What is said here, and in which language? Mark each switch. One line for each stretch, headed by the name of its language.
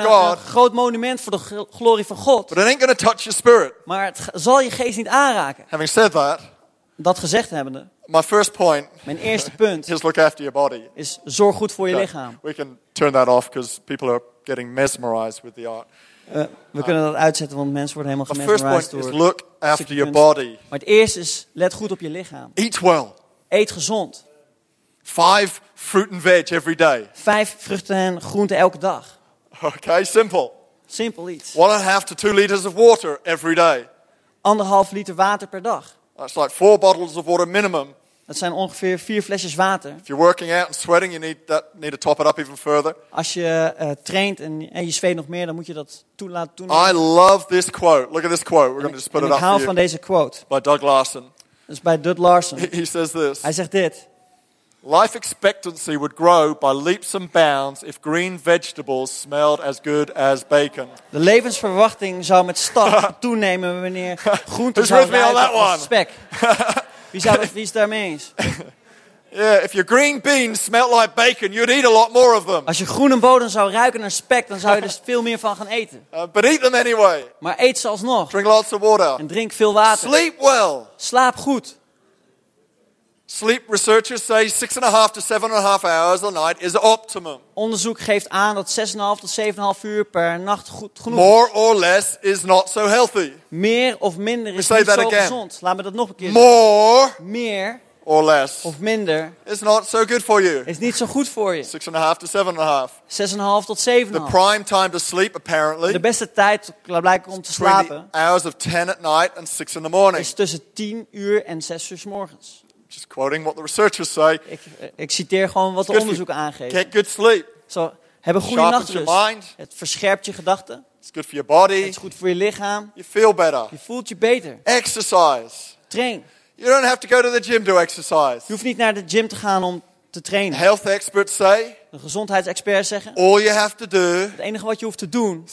Dutch: het een groot monument voor de glorie van God.
English: But it ain't gonna touch your spirit.
Dutch: Maar het zal je geest niet aanraken.
English: Having said that,
Dutch: dat gezegd hebbende.
English: My first point,
Dutch: mijn eerste punt
English: is, look after your body.
Dutch: Is zorg goed voor je lichaam.
English: We can turn that off because people are getting mesmerized with the art.
Dutch: We kunnen dat uitzetten, want mensen worden helemaal gemesmerized door.
English: The first point is look after your body.
Dutch: Maar het eerste is let goed op je lichaam.
English: Eat well.
Dutch: Eet gezond.
English: 5 fruit and veg every day.
Dutch: 5 vruchten en groenten elke dag.
English: Okay, simple. Simple eat. 1.5 to 2 liters of water every day.
Dutch: 1.5 liter water per dag.
English: That's like 4 bottles of water minimum.
Dutch: Dat zijn ongeveer 4 flesjes water.
English: If you're working out and sweating, you need to top it up even further.
Dutch: Als je traint en je zweet nog meer, dan moet je dat laten doen.
English: I love this quote. Look at this quote. We're going to just put it up.
Dutch: Ik hou van deze quote.
English: By Doug Larson.
Dutch: Dat is bij Doug Larson.
English: He says this.
Dutch: Hij zegt dit.
English: Life expectancy would grow by leaps and bounds if green vegetables smelled as good as bacon.
Dutch: De levensverwachting zou met stap toenemen wanneer groenten zouden ruiken als spek. Wie is daarmee eens?
English: Yeah, if your green beans smelled like bacon, you'd eat a lot more of them.
Dutch: Als je groene bodem zou ruiken naar spek, dan zou je er veel meer van gaan eten.
English: But eat them anyway.
Dutch: Maar eet ze alsnog.
English: Drink lots of water.
Dutch: En drink veel water.
English: Sleep well.
Dutch: Slaap goed.
English: Sleep researchers say 6.5 to 7.5 hours a night is optimum.
Dutch: Onderzoek geeft aan dat 6.5 to 7.5 uur per nacht goed genoeg.
English: More or less is not so healthy.
Dutch: Meer of minder is niet zo gezond. Laat me dat nog een keer zeggen.
English: More.
Dutch: Meer.
English: or less,
Dutch: of minder,
English: is not so good for you.
Dutch: Is niet zo goed voor je.
English: 6.5 to 7.5.
Dutch: 6.5 to 7.5.
English: The prime time to sleep, apparently.
Dutch: De beste tijd blijkbaar om te slapen.
English: Hours of 10 at night and 6 in the morning.
Dutch: Is tussen 10 uur en 6 uur 's morgens.
English: Just quoting what the researchers say.
Dutch: Ik citeer gewoon wat de onderzoeken aangeven.
English: Get good sleep.
Dutch: So, heb een goede nachtrust.
English: Your mind.
Dutch: Het verscherpt je gedachten.
English: It's good for your body.
Dutch: Het is goed voor je lichaam.
English: You feel better.
Dutch: Je voelt je beter.
English: Exercise.
Dutch: Train.
English: You don't have to go to the gym to exercise.
Dutch: Je hoeft niet naar de gym te gaan om te trainen.
English: Health experts say.
Dutch: De gezondheidsexperts zeggen.
English: All you have to do.
Dutch: Het enige wat je hoeft te doen.